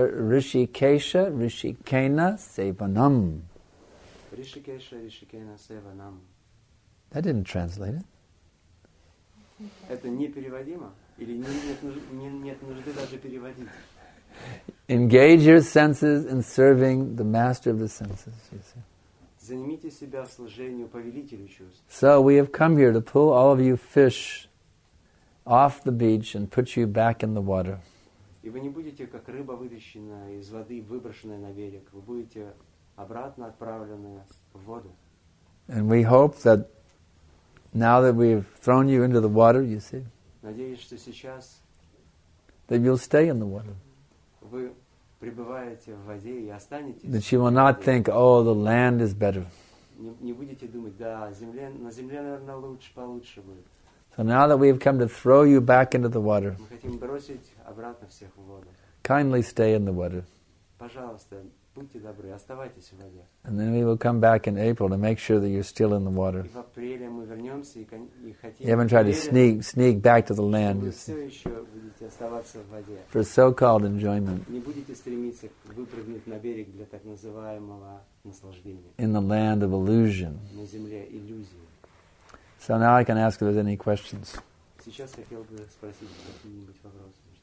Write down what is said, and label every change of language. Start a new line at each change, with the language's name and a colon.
Sanskrit: Ришикеша, Ришикена, Севанам. Ришикеша, Ришикена, Севанам.
English: That didn't translate it.
Russian: Это непереводимо? Или нет нужды даже переводить?
English: Engage your senses in serving the master of the senses, you see.
Russian: Занимите себя в служении повелителю чувств.
English: So we have come here to pull all of you fish off the beach and put you back in the water.
Russian: И вы не будете как рыба, вытащенная из воды, выброшенная на берег. Вы будете обратно отправленная в воду.
English: And we hope that now that we've thrown you into the water, you see,
Russian: надеюсь, что сейчас
English: that you'll stay in the water.
Russian: Вы пребываете в воде и останетесь.
English: That you will not think, oh, the land is better.
Russian: Не будете думать, да, на земле, наверное, лучше, получше будет.
English: So now that we have come to throw you back into the water,
Russian: мы хотим бросить обратно всех в воду.
English: Kindly stay in the water.
Russian: Пожалуйста, будьте добры, оставайтесь в воде.
English: And then we will come back in April to make sure that you're still in the water.
Russian: И в апреле мы вернемся и хотим.
English: You haven't tried to sneak back to the land.
Russian: Вы все еще будете оставаться в воде.
English: For so-called enjoyment.
Russian: Не будете стремиться выпрыгнуть на берег для так называемого наслаждения.
English: In the land of illusion.
Russian: На земле иллюзий.
English: So now I can ask if there's any questions.
Russian: Сейчас я хотел бы спросить какие-нибудь вопросы.